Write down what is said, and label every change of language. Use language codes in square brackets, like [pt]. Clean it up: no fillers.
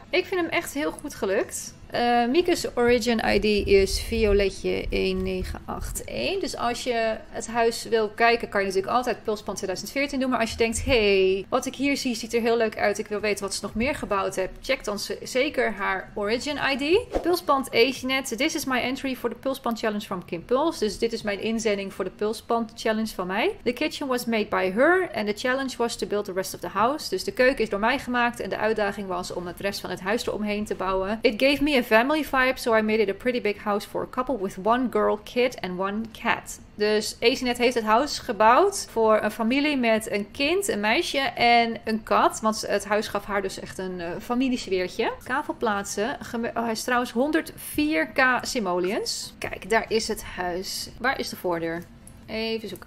[nl] Ik vind hem echt heel goed gelukt. Mieke's origin ID is violetje 1981. Dus als je het huis wil kijken, kan je natuurlijk altijd Pulspan 2014 doen. Maar als je denkt, hey, wat ik hier zie, ziet er heel leuk uit. Ik wil weten wat ze nog meer gebouwd heeft. Check dan zeker haar origin ID. Pulspan Asianet. [en] This is my entry for the Pulspan Challenge from Kim Pulse. [nl] Dus dit is mijn inzending voor de Pulspan Challenge van mij. [en] The kitchen was made by her. And the challenge was to build the rest of the house. [nl] Dus de keuken is door mij gemaakt. En de uitdaging was om het rest van het huis eromheen te bouwen. [en] It gave me a family vibe, so I made it a pretty big house for a couple with one girl, kid and one cat. [nl] Dus Asianet heeft het huis gebouwd voor een familie met een kind, een meisje en een kat. Want het huis gaf haar dus echt een familiesfeertje. Kavelplaatsen. Hij is trouwens 104k simoleons. Kijk, daar is het huis. Waar is de voordeur? Even zoeken.